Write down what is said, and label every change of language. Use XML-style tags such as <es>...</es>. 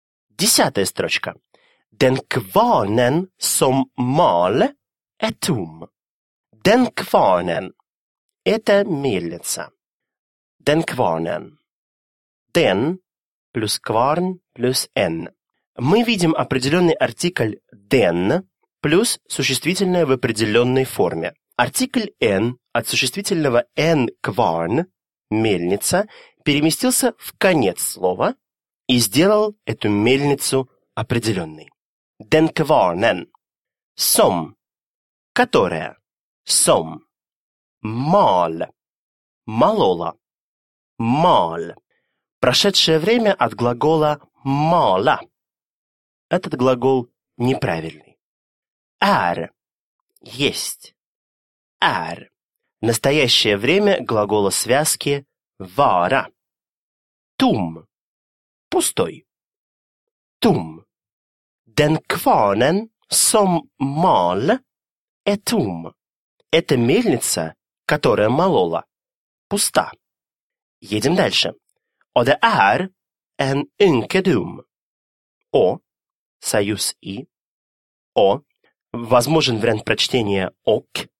<ru>Десятая строчка.</ru> <sv>Den kvarnen som mal är tom. Den kvarnen.</sv> <ru>Это мельница.</ru> <sv>Den kvarnen. Den</sv> <ru>плюс</ru> <sv>kvarn плюс en.</sv> <ru>Мы видим определенный артикль den плюс существительное в определенной форме. Артикль n от существительного n kvarn – мельница – переместился в конец слова и сделал эту мельницу определенной.</ru> <sv>Den kvarnen. Som.</sv> <ru>Которая.</ru> <sv>Som. Mal. Malola. Mal.</sv> <ru>Прошедшее время от глагола mala. Этот глагол неправильный.</ru> <sv>Är.</sv> <ru>Есть.</ru> <sv>Är.</sv> <ru>Настоящее время глагола связки vara.</ru> <sv>Tum.</sv> <ru>Пустой.</ru> <sv>Tum. Den kvarnen som mal är tum.</sv> <ru>Это мельница, которая молола. Пуста. Едем дальше.</ru> <sv>Och det är en ynkedom. О.</sv> <ru>Союз «и», «о», возможен вариант прочтения «ок».</ru>